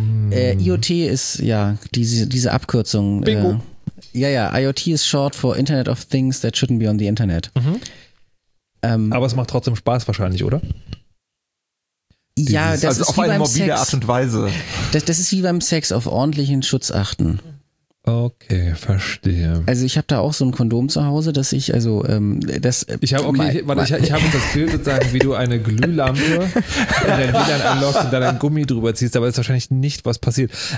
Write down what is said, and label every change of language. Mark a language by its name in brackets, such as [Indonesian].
[German] IoT ist, ja, diese Abkürzung. Bingo. [English] IoT is short for Internet of Things that shouldn't be on the Internet. Mhm. [German] Aber es macht trotzdem Spaß wahrscheinlich, oder? Ja, das ist wie beim Sex. Auf eine mobile Art und Weise. Das ist wie beim Sex, auf ordentlichen Schutz achten. Okay, verstehe. Also ich habe da auch so ein Kondom zu Hause, dass ich, also das... Ich habe das Bild sozusagen, wie du eine Glühlampe in dein WLAN anlockst und da dein Gummi drüber ziehst, aber ist wahrscheinlich nicht, was passiert.